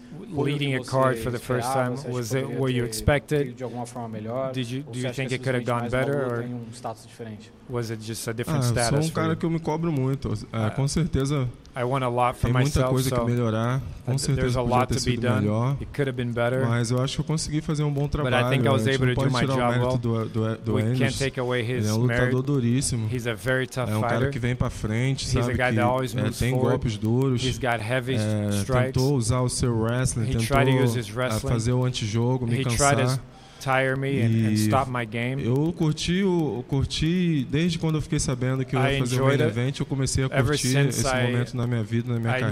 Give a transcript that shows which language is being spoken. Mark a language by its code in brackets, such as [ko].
[en] Leading a card for the first time, was it what you expected? Do you think it could have gone better, or was it just a different status? [pt] Sou um cara que eu me cobro muito, com certeza. [en] I want a lot for myself. [pt] Tem muita coisa que melhorar. Com certeza podia ter sido melhor. [en] It could have been better. [pt] Mas eu acho que eu consegui fazer bom trabalho. [en] But I think I was able to do my job well. We can't take away his merit. [pt] Ele é lutador duríssimo. [en] He's a very tough fighter. [pt] É um cara que vem para frente, sabe? [en] He's a guy that always moves forward. [pt] Tem golpes duros. [en] He's got heavy strikes. [pt] Tentou usar o seu wrestling. [en] He tried to use his wrestling. [pt] Fazer o antijogo, me cansar. [en] Tire me and stop my game. [pt] Eu curti, desde quando eu fiquei sabendo que eu ia fazer o main event, eu comecei a curtir esse momento na minha vida, na minha carreira.